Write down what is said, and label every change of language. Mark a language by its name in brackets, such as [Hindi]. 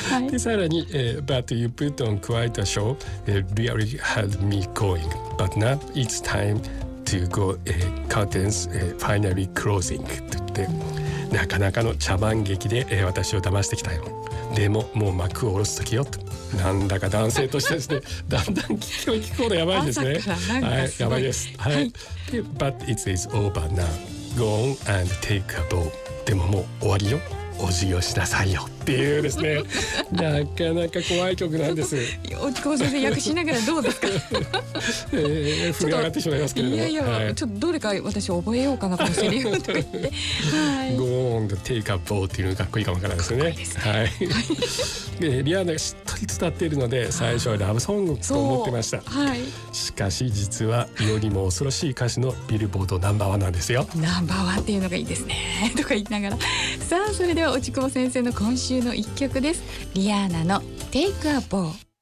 [Japanese] でさらに、 [English] But you put on quite a show, really had me going. But now it's time to go, curtains, finally closing. [Japanese] と言って、なかなかの茶番劇で、私を騙してきたよ、でももう幕を下ろす時よ、と。なんだか男性としてですね、だんだん聞き込むことやばいですね。朝からなんかすごい、はい、やばいです、はいはい、 [English] But it is over now, go on and take a bow、 [Japanese] でももう終わりよ、お辞儀をしなさいよっていうですね。なかなか怖い曲なんです。落ち窪先生、訳しながらどうですか？震え上がってしまいますけれども、いやいや、はい、ちょっとどれか私覚えようかな、このセリフとか言って。 [English] Go on to take a bow [Japanese] っていうのがかっこいいかもからですね。かっこいいですね。はい、でリアーナがしっとり伝っているので、最初はラブソングと思ってました。はい、しかし実はよりも恐ろしい歌詞のビルボードナンバーワンなんですよ。ナンバーワンっていうのがいいですねとか言いながら、さあそれでは落ち窪先生の今週の一曲です。リアーナの Take a Bow。